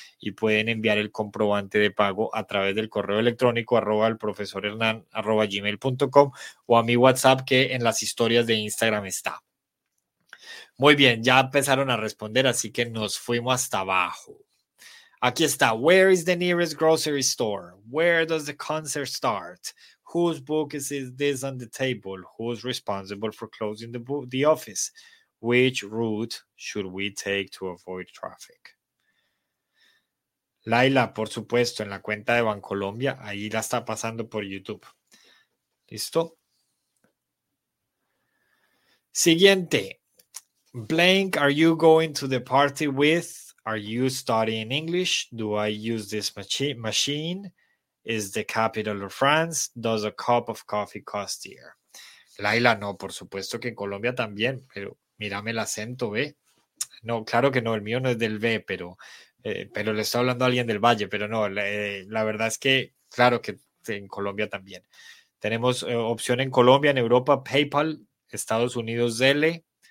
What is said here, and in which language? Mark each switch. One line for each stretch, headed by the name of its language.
Spanish: Y pueden enviar el comprobante de pago a través del correo electrónico @alprofesorhernan@gmail.com o a mi WhatsApp que en las historias de Instagram está. Muy bien, ya empezaron a responder, así que nos fuimos hasta abajo. Aquí está.
English: Where is the nearest grocery store? Where does the concert start? Whose book is this on the table? Who's responsible for closing the office? Which route should we take to avoid traffic?
Spanish: Laila, por supuesto, en la cuenta de Bancolombia, ahí la está pasando por YouTube. ¿Listo? Siguiente.
English: Blank, are you going to the party with? Are you studying English? Do I use this machine? Is the capital of France? Does a cup of coffee cost here?
Spanish: Laila, no, por supuesto que en Colombia también, pero mírame el acento, ¿ve? No, claro que no, el mío no es del B, pero le estoy hablando a alguien del Valle, pero no, la verdad es que, claro que en Colombia también. Tenemos opción en Colombia, en Europa, PayPal, Estados Unidos, Zelle.